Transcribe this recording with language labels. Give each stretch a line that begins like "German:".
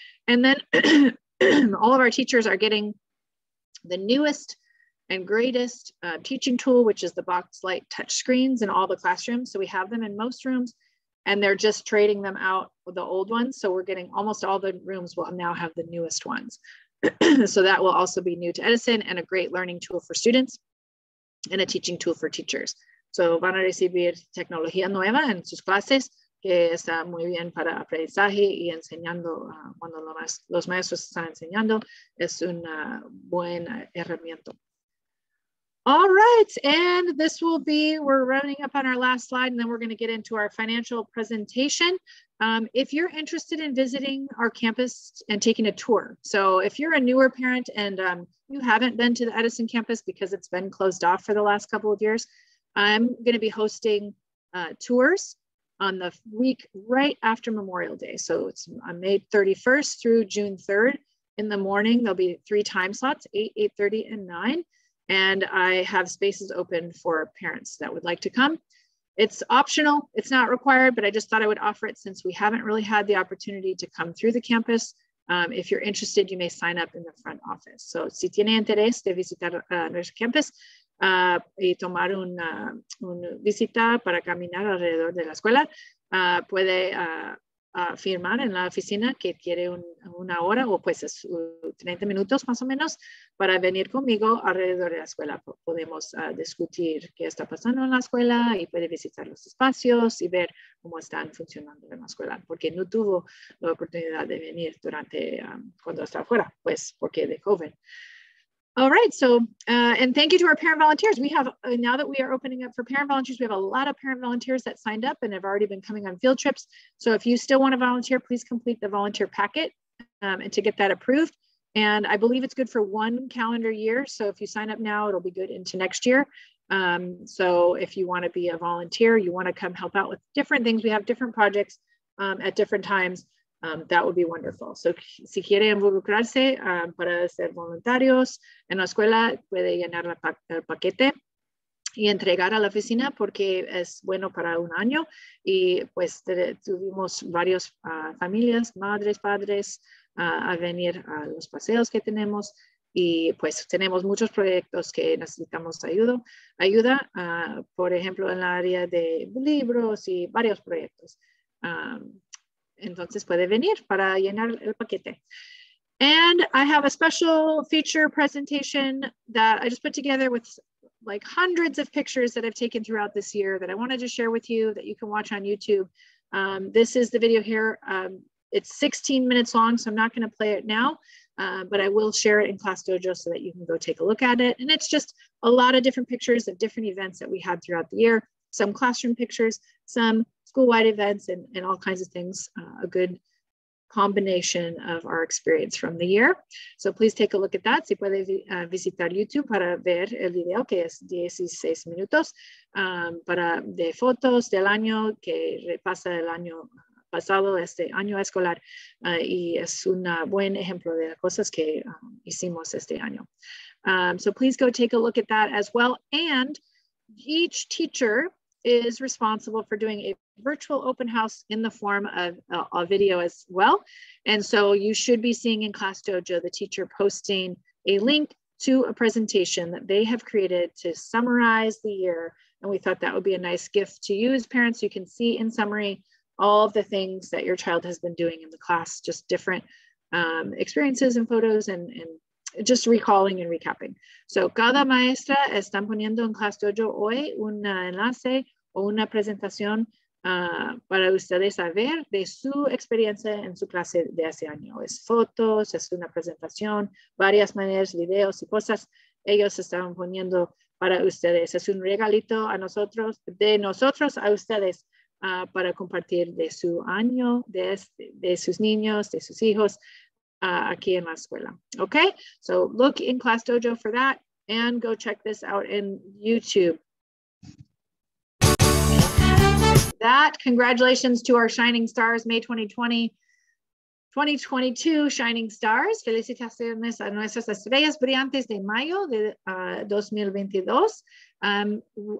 English: And then all of our teachers are getting the newest and greatest teaching tool, which is the box light touch screens in all the classrooms. So we have them in most rooms and they're just trading them out with the old ones. So we're getting almost all the rooms will now have the newest ones. So that will also be new to Edison and a great learning tool for students and a teaching tool for teachers.
Spanish: So van a recibir tecnología nueva en sus clases que está muy bien para aprendizaje y enseñando cuando los maestros están enseñando es una buena herramienta.
English: All right, and this will be, we're running up on our last slide and then we're gonna get into our financial presentation. If you're interested in visiting our campus and taking a tour, so if you're a newer parent and you haven't been to the Edison campus because it's been closed off for the last couple of years, I'm gonna be hosting tours on the week right after Memorial Day. So it's on May 31st through June 3rd. In the morning, there'll be three time slots, 8, 8:30 and 9. And I have spaces open for parents that would like to come. It's optional, it's not required, but I just thought I would offer it since we haven't really had the opportunity to come through the campus. If you're interested, you may sign up in the front office.
Spanish: So si tiene interés de visitar nuestro campus y tomar una visita para caminar alrededor de la escuela, puede firmar en la oficina que quiere una hora o pues 30 minutos más o menos para venir conmigo alrededor de la escuela. Podemos discutir qué está pasando en la escuela y puede visitar los espacios y ver cómo están funcionando en la escuela porque no tuvo la oportunidad de venir durante cuando estaba fuera, pues porque de COVID.
English: All right, so, and thank you to our parent volunteers. We have, now that we are opening up for parent volunteers, we have a lot of parent volunteers that signed up and have already been coming on field trips. So if you still want to volunteer, please complete the volunteer packet and to get that approved. And I believe it's good for one calendar year. So if you sign up now, it'll be good into next year. So if you want to be a volunteer, you want to come help out with different things. We have different projects at different times. That would be wonderful.
Spanish: So si quiere involucrarse para ser voluntarios en la escuela, puede llenar el paquete y entregar a la oficina porque es bueno para un año. Y pues tuvimos varias familias, madres, padres, a venir a los paseos que tenemos. Y pues tenemos muchos proyectos que necesitamos ayuda, por ejemplo, en el área de libros y varios proyectos. Entonces puede venir para llenar el paquete.
English: And I have a special feature presentation that I just put together with like hundreds of pictures that I've taken throughout this year that I wanted to share with you that you can watch on YouTube. This is the video here. It's 16 minutes long, so I'm not going to play it now, but I will share it in Class Dojo so that you can go take a look at it. And it's just a lot of different pictures of different events that we had throughout the year. Some classroom pictures, some school-wide events, and all kinds of things, a good combination of our experience from the year. So please take a look at that.
Spanish: Si puede visitar YouTube para ver el video, que es 16 minutos, para de fotos del año que repasa el año pasado, este año escolar, y es un buen ejemplo de las cosas que hicimos este año.
English: So please go take a look at that as well. And each teacher is responsible for doing a virtual open house in the form of a video as well. And so you should be seeing in Class Dojo the teacher posting a link to a presentation that they have created to summarize the year. And we thought that would be a nice gift to you as parents. You can see in summary all of the things that your child has been doing in the class, just different experiences and photos and just recalling and recapping.
Spanish: So cada maestra están poniendo en Class Dojo hoy un enlace o una presentación para ustedes saber de su experiencia en su clase de ese año. Es fotos, es una presentación, varias maneras, videos y cosas. Ellos están poniendo para ustedes. Es un regalito a nosotros, de nosotros a ustedes, para compartir de su año, de sus niños, de sus hijos, aquí en la escuela.
English: Okay, so look in Class Dojo for that and go check this out in YouTube. That, congratulations to our Shining Stars May 2020, 2022 Shining Stars.
Spanish: Felicitaciones a nuestras estrellas brillantes de mayo de 2022.